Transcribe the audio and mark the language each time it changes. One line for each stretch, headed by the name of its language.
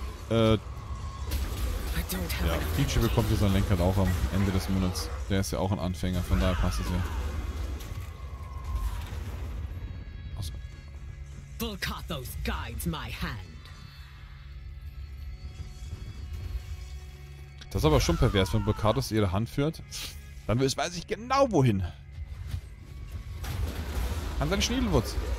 German: Ja, Peachy bekommt hier sein Lenkrad auch am Ende des Monats. Der ist ja auch ein Anfänger, von daher passt es ja.
English: Volcathos guides my hand.
German: Das ist aber schon pervers, wenn Volcathos ihre Hand führt. Dann weiß ich genau wohin. An seinen Schniedelwurz.